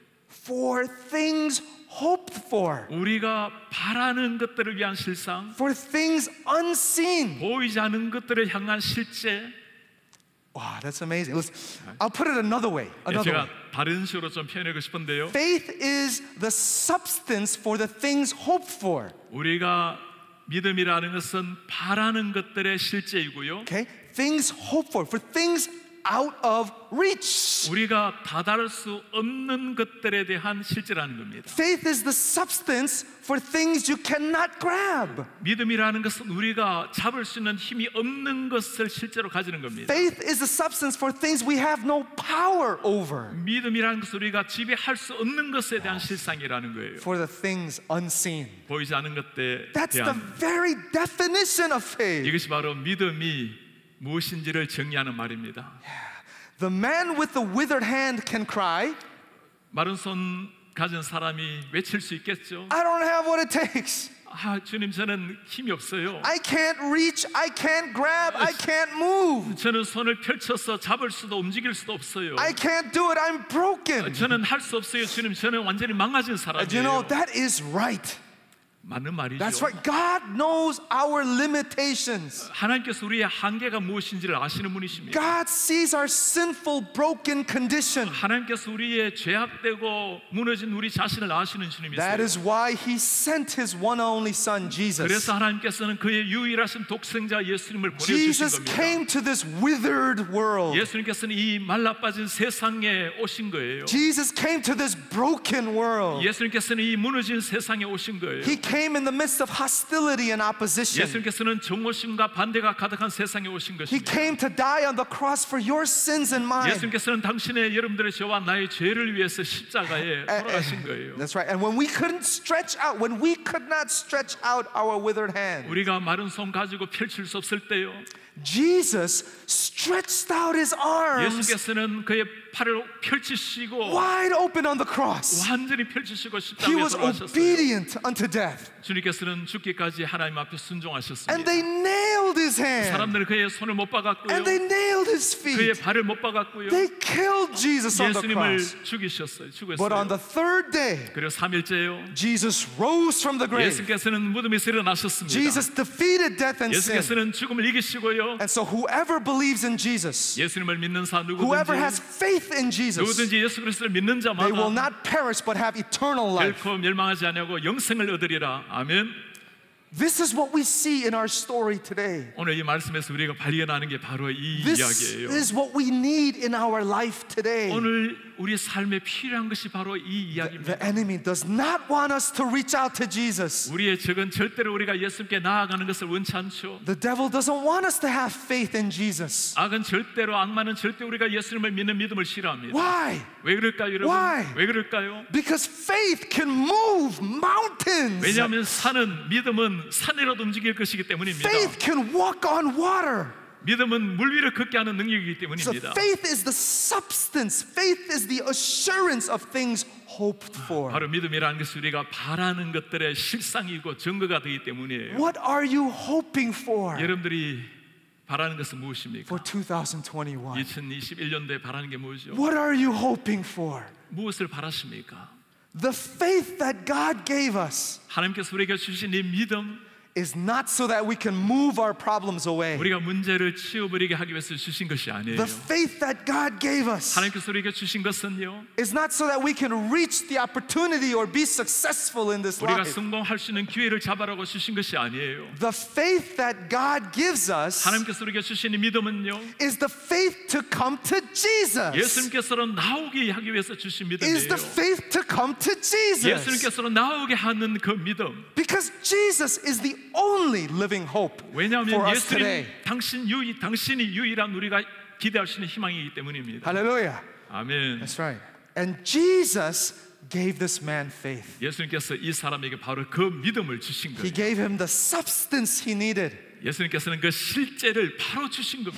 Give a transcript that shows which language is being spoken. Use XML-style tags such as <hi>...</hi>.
<en>For things hoped for.</en> <ko>우리가 바라는 것들을 위한 실상.</ko> <en>For things unseen.</en> <ko>보이지 않은 것들을 향한 실제.</ko> <en>Wow, that's amazing. Listen, I'll put it another way. Another</en> <ko>제가 다른 식으로 좀 표현하고 싶은데요.</ko> <en>Faith is the substance for the things hoped for.</en> <ko>우리가 믿음이라는 것은 바라는 것들의 실제이고요.</ko> <en>Okay, things hoped for things out of reach.</en> <ko>우리가 다다를 수 없는 것들에 대한 실제라는 겁니다.</ko> <en>Faith is the substance for things you cannot grab.</en> <ko>믿음이라는 것은 우리가 잡을 수 있는 힘이 없는 것을 실제로 가지는 겁니다.</ko> <en>Faith is the substance for things we have no power over.</en> <ko>믿음이라는 것은 우리가 지배할 수 없는 것에 대한 실상이라는 거예요.</ko> <en>For the things unseen.</en> <ko>보이지 않은 것들에 대한.</ko> <en>That's the very definition of faith.</en> <ko>이것이 바로 믿음이 무엇인지를 정의하는 말입니다.</ko> <en>The man with the withered hand can cry.</en> <ko>마른 손 가진 사람이 외칠 수 있겠죠.</ko> <en>I don't have what it takes.</en> <ko>아, 주님 저는 힘이 없어요.</ko> <en>I can't reach, I can't grab, I can't move.</en> <ko>저는 손을 펼쳐서 잡을 수도 움직일 수도 없어요.</ko> <en>I can't do it, I'm broken.</en> <ko>저는 할 수 없어요. 주님 저는 완전히 망가진 사람이에요.</ko> <en>You know, that is right.</en> <ko>맞는 말이죠.</ko> <en>That's right. God knows our limitations.</en> <ko>하나님께서 우리의 한계가 무엇인지를 아시는 분이십니다.</ko> <en>God sees our sinful, broken condition.</en> <ko>하나님께서 우리의 죄악되고 무너진 우리 자신을 아시는 주님이세요.</ko> <en>That is why He sent His one and only Son, Jesus.</en> <ko>그래서 하나님께서는 그의 유일하신 독생자 예수님을 보내주신</ko> <en>Jesus</en> <ko>겁니다.</ko> <en>Jesus came to this withered world.</en> <ko>예수님께서는 이 말라빠진 세상에 오신 거예요.</ko> <en>Jesus came to this broken world.</en> <ko>예수님께서는 이 무너진 세상에 오신 거예요.</ko> <en>He came in the midst of hostility and opposition.</en> <ko>예수님께서는 정오심과 반대가 가득한 세상에 오신 것입니다.</ko> <en>He came to die on the cross for your sins and mine.</en> <ko>예수님께서는 당신의 여러분들의 죄와 나의 죄를 위해서 십자가에 돌아가신 거예요.</ko> <en>That's right. And when we couldn't stretch out, when we could not stretch out our withered hands.</en> <ko>우리가 마른 손 가지고 펼칠 수 없을 때요.</ko> <en>Jesus stretched out his arms.</en> <ko>예수께서는 그의 팔을 펼치시고</ko> <en>wide open on the cross.</en> <ko>완전히 펼치시고 십자가에</ko> <en>He was obedient unto death.</en> <ko>주님께서는 죽기까지 하나님 앞에 순종하셨습니다.</ko> <en>And they nailed his hands.</en> <ko>사람들은 그의 손을 못 박았고요.</ko> <en>And they nailed his feet.</en> <ko>그의 발을 못 박았고요.</ko> <en>They killed Jesus on the cross.</en> <ko>예수님을 죽이셨어요. 죽었어요.</ko> <en>But on the third day.</en> <ko>그리고 3일째요.</ko> <en>Jesus rose from the grave.</en> <ko>예수께서는 무덤에서 일어나셨습니다.</ko> <en>Jesus defeated death and sin.</en> <ko>예수께서는 죽음을 이기시고요.</ko> <en>And so whoever believes in Jesus.</en> <ko>예수님을 믿는 사람 누구든지</ko> <en>whoever has faith in Jesus.</en> <ko>누구든지 예수 그리스도를 믿는 자마다</ko> <en>they will not perish but have eternal life.</en> <ko>결코 멸망하지 아니하고 영생을 얻으리라.</ko> <en>Amen. This is what we see in our story today.</en> <ko>오늘 이 말씀에서 우리가 발견하는 게 바로 이</ko> <en>This</en> <ko>이야기예요.</ko> <en>This is what we need in our life today.</en> <ko>오늘 우리 삶에 필요한 것이 바로 이 이야기입니다.</ko> <en>The enemy does not want us to reach out to Jesus.</en> <ko>우리의 적은 절대로 우리가 예수님께 나아가는 것을 원치 않죠.</ko> <en>The devil doesn't want us to have faith in Jesus.</en> <ko>악은 절대로 악마는 절대 우리가 예수님을 믿는 믿음을 싫어합니다.</ko> <en>Why?</en> <ko>왜 그럴까요, 여러분?</ko> <en>Why?</en> <ko>왜 그럴까요?</ko> <en>Because faith can move mountains.</en> <ko>왜냐하면 산은 믿음은 산이라도 움직일 것이기 때문입니다.</ko> <en>Faith can walk on water.</en> <ko>믿음은 물 위를 걷게 하는 능력이기 때문입니다.</ko> <en>So faith is the substance. Faith is the assurance of things hoped for.</en> <ko>바로 믿음이라는 것이 우리가 바라는 것들의 실상이고 증거가 되기 때문이에요.</ko> <en>What are you hoping for?</en> <ko>여러분들이 바라는 것은 무엇입니까?</ko> <en>For 2021.</en> <ko>2021년도에 바라는 게 뭐죠?</ko> <en>What are you hoping for?</en> <ko>무엇을 바라십니까?</ko> <en>The faith that God gave us.</en> <ko>하나님께서 우리에게 주신 이 믿음.</ko> <en>is not so that we can move our problems away.</en> <ko>우리가 문제를 치유버리게 하기 위해서 주신 것이 아니에요.</ko> <en>The faith that God gave us.</en> <ko>하나님께서 우리에게 주신 것은요.</ko> <en>Is not so that we can reach the opportunity or be successful in this</en> <ko>우리가</ko> <en>life.</en> <ko>우리가 성공할 수 있는 기회를 잡아라고 주신 것이 아니에요.</ko> <en>The faith that God gives us.</en> <ko>하나님께서 우리에게 주신 이 믿음은요.</ko> <en>Is the faith to come to Jesus.</en> <ko>예수님께서로 나오게 하기 위해서 주신 믿음이에요.</ko> <en>Is the faith to come to Jesus.</en> <ko>예수님께서로 나오게 하는 그 믿음.</ko> <en>Because Jesus is the only living hope for us today.</en> <ko>왜냐하면 당신이 유일한 우리가 기대할 수 있는 희망이기 때문입니다.</ko> <en>Hallelujah. Amen. That's right. And Jesus gave this man faith.</en> <ko>예수님께서 이 사람에게 바로 그 믿음을 주신 거예요.</ko> <en>He gave him the substance he needed.</en> <ko>예수님께서는 그 실제를 바로 주신 겁니다.</ko>